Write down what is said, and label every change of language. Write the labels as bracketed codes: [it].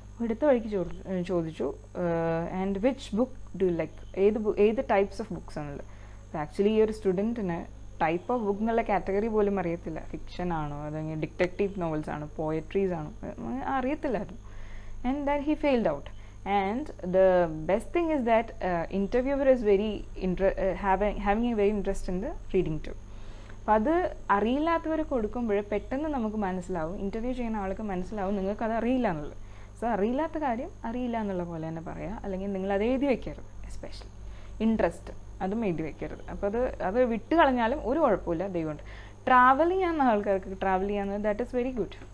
[ml] എടുത്ത വഴിക്ക് ചോദിച്ചു [en] and which book do like, [ml] ഏത് ടൈപ്സ് ഓഫ് ബുക്സ് ആണുള്ളത്. ആക്ച്വലി ഈ ഒരു സ്റ്റുഡൻറ്റിന് ടൈപ്പ് ഓഫ് ബുക്ക് എന്നുള്ള കാറ്റഗറി പോലും അറിയത്തില്ല. ഫിക്ഷൻ ആണോ, അല്ലെങ്കിൽ ഡിറ്റക്റ്റീവ് നോവൽസ് ആണോ, പോയട്രീസ് ആണോ, അറിയത്തില്ലായിരുന്നു. [en] And that he failed out. And the best thing is that interviewer is very having a very interest in the reading too. [ml] അപ്പോൾ അത് അറിയില്ലാത്തവരെ കൊടുക്കുമ്പോൾ പെട്ടെന്ന് നമുക്ക് മനസ്സിലാവും, ഇൻ്റർവ്യൂ ചെയ്യുന്ന ആൾക്ക് മനസ്സിലാവും നിങ്ങൾക്ക് അത് അറിയില്ല എന്നുള്ളത്. സോ അറിയില്ലാത്ത കാര്യം അറിയില്ല എന്നുള്ള പോലെ തന്നെ പറയുക, അല്ലെങ്കിൽ നിങ്ങൾ അത് എഴുതി വയ്ക്കരുത്. എസ്പെഷ്യലി ഇൻട്രസ്റ്റ്, അതും എഴുതി വെക്കരുത്. അപ്പം അത് അത് വിട്ട് കളഞ്ഞാലും ഒരു കുഴപ്പമില്ല, അതുകൊണ്ട് ട്രാവൽ ചെയ്യാവുന്ന ആൾക്കാർക്ക് travel ചെയ്യാവുന്നത് [en] That is very good.